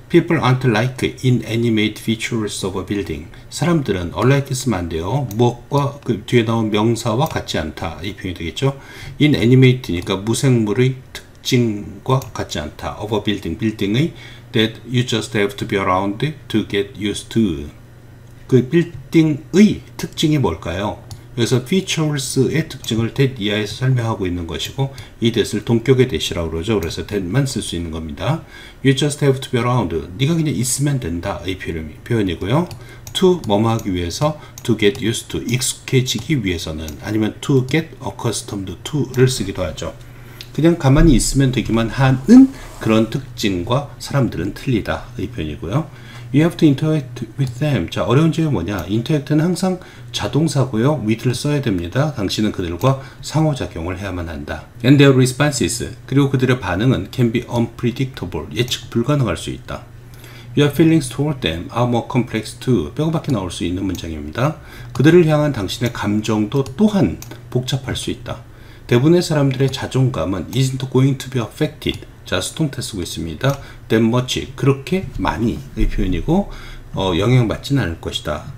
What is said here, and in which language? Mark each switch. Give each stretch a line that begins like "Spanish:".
English: People aren't like inanimate features of a building.
Korean: 사람들은 unlike 쓰면 안 돼요. 무엇과 그 뒤에 나온 명사와 같지 않다. 이 표현이 되겠죠. Inanimate니까 무생물의 특징과 같지 않다.
English: Of a building. Building의 that you just have to be around to get used to.
Korean: 그 빌딩의 특징이 뭘까요? 여기서 features의 특징을 that 이하에서 설명하고 있는 것이고 이 that을 동격의 that이라고 그러죠. 그래서 that만 쓸 수 있는 겁니다.
English: You just have to be around.
Korean: 네가 그냥 있으면 된다의 표현이고요. To 뭐뭐하기 위해서
English: to get used to
Korean: 익숙해지기 위해서는 아니면
English: to get accustomed to
Korean: 를 쓰기도 하죠. 그냥 가만히 있으면 되기만 하는 그런 특징과 사람들은 틀리다의 표현이고요.
English: You have to interact with them.
Korean: 자, 어려운 점이 뭐냐? Interact는 항상 자동사고요. With를 써야 됩니다. 당신은 그들과 상호작용을 해야만 한다.
English: And their responses.
Korean: 그리고 그들의 반응은
English: can be unpredictable.
Korean: 예측 불가능할 수 있다.
English: Your feelings toward them are more complex too.
Korean: 빼곡하게 나올 수 있는 문장입니다. 그들을 향한 당신의 감정도 또한 복잡할 수 있다. 대부분의 사람들의 자존감은
English: isn't going to be affected.
Korean: 자, 수동태 쓰고 있습니다.
English: That much,
Korean: 그렇게 많이의 표현이고 영향받진 않을 것이다.